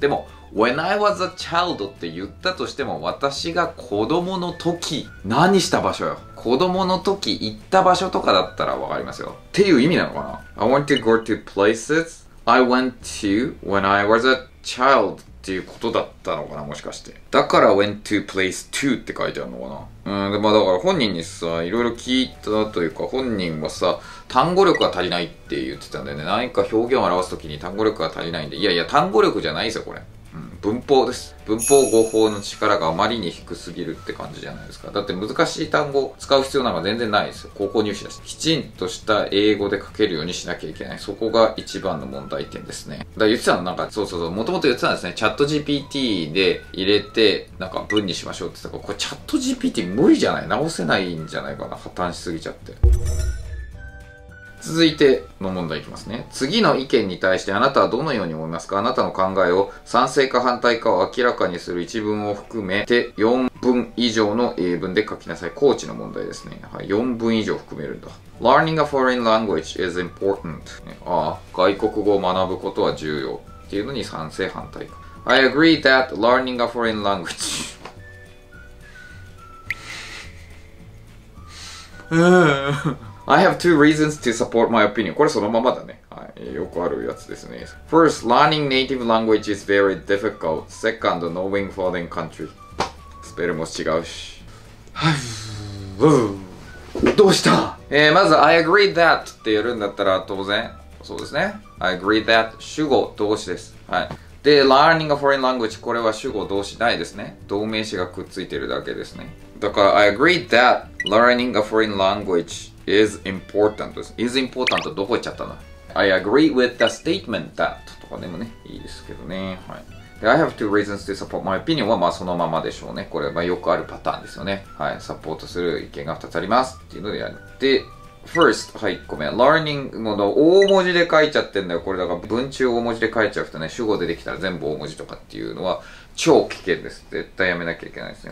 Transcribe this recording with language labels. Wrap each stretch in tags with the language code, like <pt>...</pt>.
<ja>でも、</ja> <en>When I was a child</en> <ja>って言ったとしても、私が子供の時、何した場所よ。子供の時行った場所とかだったらわかりますよ。っていう意味なのかな ?</ja> <en>I want to go to places I went to when I was a child</en> <ja>っていうことだったのかな、もしかして。だから、</ja> <en>went to place to</en> <ja>って書いてあるのかな。で、まあだから本人にさ、いろいろ聞いたというか、本人はさ、単語力が足りないって言ってたんだよね。何か表現を表すときに単語力が足りないんで、いやいや、単語力じゃないですよ、これ。文法です。文法語法の力があまりに低すぎるって感じじゃないですか。だって難しい単語使う必要なんか全然ないですよ。高校入試だし。きちんとした英語で書けるようにしなきゃいけない。そこが一番の問題点ですね。だから言ってたのなんか、そう、もともと言ってたんですね。チャット GPT で入れて、なんか文にしましょうって言ったから、これチャット GPT 無理じゃない？直せないんじゃないかな。破綻しすぎちゃって。続いての問題いきますね。次の意見に対してあなたはどのように思いますか？あなたの考えを賛成か反対かを明らかにする一文を含めて4文以上の英文で書きなさい。コーチの問題ですね。はい、4文以上含めるんだ。</ja> <en>Learning a foreign language is important。</en> <ja>ああ、外国語を学ぶことは重要。っていうのに賛成反対か。</ja> <en>I agree that learning a foreign language。 I have two reasons to support my opinion.</en> <ja>これそのままだね。はい、よくあるやつですね。</ja> <en>First, learning native language is very difficult. Second, knowing foreign country.</en> <ja>スペルも違うし。どうした？まず</ja> <en>I agree that</en> <ja>ってやるんだったら当然そうですね。</ja> <en>I agree that</en> <ja>主語動詞です。はい。で、</ja> <en>learning a foreign language、</en> <ja>これは主語動詞ないですね。動名詞がくっついてるだけですね。だから</ja> <en>I agree that learning a foreign language is important</en> <ja>です。</ja> <en>is important</en> <ja>どこ行っちゃったの。</ja> <en>I agree with the statement that</en> <ja>とかでもねいいですけどね。はい。で、</ja> <en>I have two reasons to support my opinion</en> <ja>はまあそのままでしょうね。これはまあよくあるパターンですよね。はい。サポートする意見が2つありますっていうのでやる。で、First、はい、1個目 Learning の大文字で書いちゃってんだよ。これだから文中大文字で書いちゃうとね、主語出てきたら全部大文字とかっていうのは超危険です。絶対やめなきゃいけないですね。</ja>